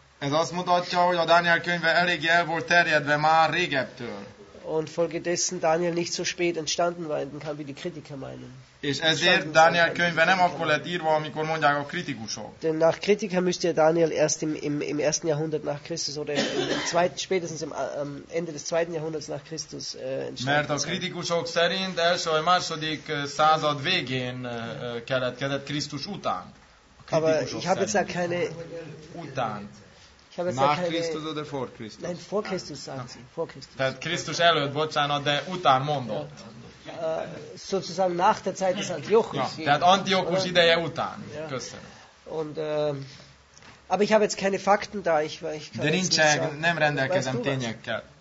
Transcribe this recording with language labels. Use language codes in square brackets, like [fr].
[hu] Ez azt mutatja, hogy a Dániel könyve elég el volt terjedve már régebbtől. [de] Und folgedessen Daniel nicht so spät entstanden war, dann kann wie die Kritiker meinen. [hu] És ezért Dániel könyve nem akkor lett írva, amikor mondják a kritikusok. [de] Denn nach Kritiker müsste ja Daniel erst im ersten Jahrhundert nach Christus oder spätestens am Ende des zweiten Jahrhunderts nach Christus entstanden. [hu] Mert a kritikusok szerint első vagy második század végén keletkezett Krisztus után. [de] Aber ich habe jetzt da keine [hu] után. [de] Nach Christus oder vor Christus? Nein, vor Christus sagen Sie, vor Christus. [hu] Tehát Krisztus előtt, bocsánat, de után mondott. [de] Sozusagen nach der Zeit des Antiochus. [hu] Ja, tehát Antiochus ideje után. Ja. Köszönöm. [de] Und, aber ich habe jetzt keine Fakten da. Ich [hu] de nincsen, nem rendelkezem tényekkel.